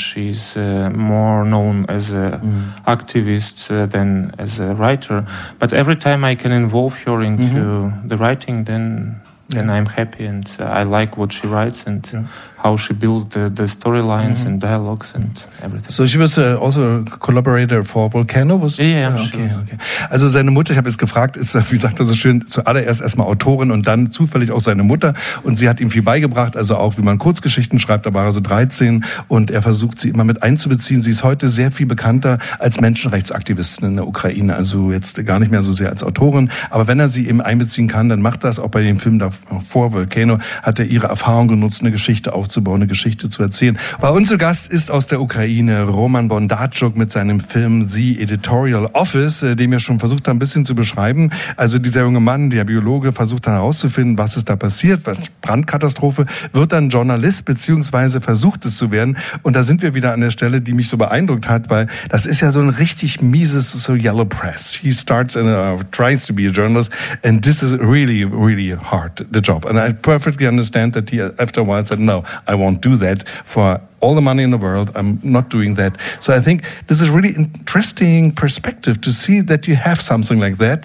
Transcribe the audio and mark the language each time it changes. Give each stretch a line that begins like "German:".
English: She's more known as an activist than as a writer. But every time I can involve her into the writing, then I'm happy and I like what she writes and how she builds the storylines and dialogues and everything. So she was also a collaborator for Volcano?
German: Also seine Mutter, ich habe jetzt gefragt, ist, wie sagt er so schön, zuallererst erstmal Autorin und dann zufällig auch seine Mutter. Und sie hat ihm viel beigebracht, also auch wie man Kurzgeschichten schreibt, da war er so 13 und er versucht sie immer mit einzubeziehen. Sie ist heute sehr viel bekannter als Menschenrechtsaktivistin in der Ukraine, also jetzt gar nicht mehr so sehr als Autorin. Aber wenn er sie eben einbeziehen kann, dann macht das auch bei dem Film davor, Volcano, hat er ihre Erfahrung genutzt, eine Geschichte aufzunehmen. aufzubauen, eine Geschichte zu erzählen. Bei uns zu Gast ist aus der Ukraine Roman Bondarchuk mit seinem Film The Editorial Office, den wir schon versucht haben, ein bisschen zu beschreiben. Also dieser junge Mann, der Biologe, versucht dann herauszufinden, was ist da passiert, was Brandkatastrophe, wird dann Journalist beziehungsweise versucht es zu werden. Und da sind wir wieder an der Stelle, die mich so beeindruckt hat, weil das ist ja so ein richtig mieses, so Yellow Press.
English: He starts and tries to be a journalist and this is really, really hard, the job. And I perfectly understand that he after a while said, no, I won't do that for all the money in the world, I'm not doing that. So I think this is really interesting perspective to see that you have something like that.